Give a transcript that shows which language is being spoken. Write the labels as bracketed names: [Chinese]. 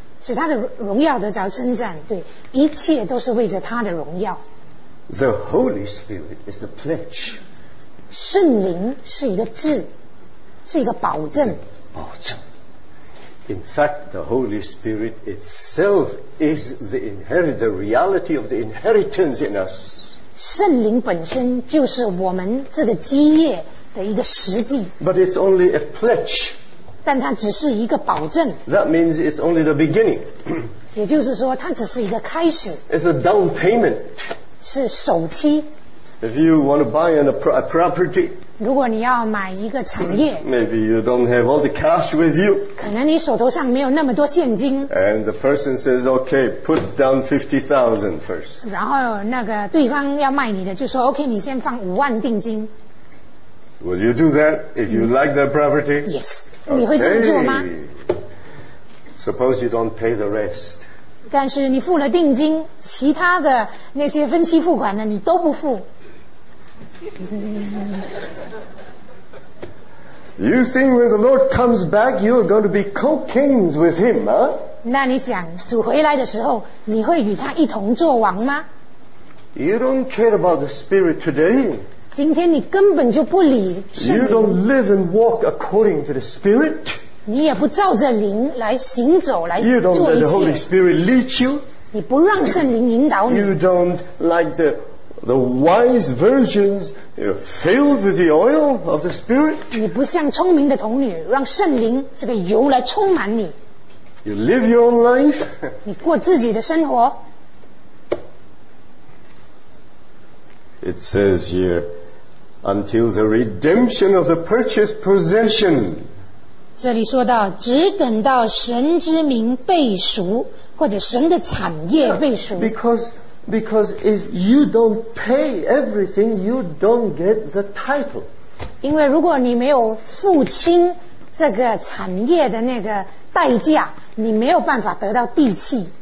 [Chinese] 使他的荣耀得着称赞，对，一切都是为着他的荣耀。 [English] The Holy Spirit is the pledge. [Chinese] 圣灵是一个字，是一个保证。保证。 [English] In fact, the Holy Spirit itself is the inherited reality of the inheritance in us. [Chinese] 圣灵本身就是我们这个基业的一个实际。 [English] But it's only a pledge. [Chinese] 但它只是一个保证。 [English] That means it's only the beginning. [Chinese] 也就是说，它只是一个开始。 [English] It's a down payment. [Chinese] 是首期。 [English] If you want to buy a property, [Chinese] 如果你要买一个产业 [English] ，maybe you don't have all the cash with you. [Chinese] 可能你手头上没有那么多现金。 [English] And the person says, "Okay, put down 50,000 first." [Chinese] 然后那个对方要卖你的就说 ，OK, 你先放五万定金。 [English] Will you do that if you like that property? Yes. [Chinese] 你会这么做吗？ [English] Suppose you don't pay the rest. [Chinese] 但是你付了定金，其他的那些分期付款呢，你都不付。 [English] You think when the Lord comes back, you are going to be co-kings with him, huh? [Chinese] 那你想，主回来的时候，你会与他一同做王吗？ [English] You don't care about the Spirit today. [Chinese] 今天你根本就不理圣灵。 [English] You don't live and walk according to the Spirit. [Chinese] 你也不照着灵来行走，来做一切。 [English] You don't let the Holy Spirit lead you. [Chinese] 你不让圣灵引导你。 [English] You don't like the wise virgins filled with the oil of the Spirit. [Chinese] 你不像聪明的童女，让圣灵这个油来充满你。 [English] You live your own life. [Chinese] 你过自己的生活。 [English] It says here, until the redemption of the purchased possession. [Chinese] 这里说到，只等到神之名被赎，或者神的产业被赎。 [English] Yeah, because if you don't pay everything, you don't get the title. [Chinese] 因为如果你没有付清这个产业的那个代价，你没有办法得到地契。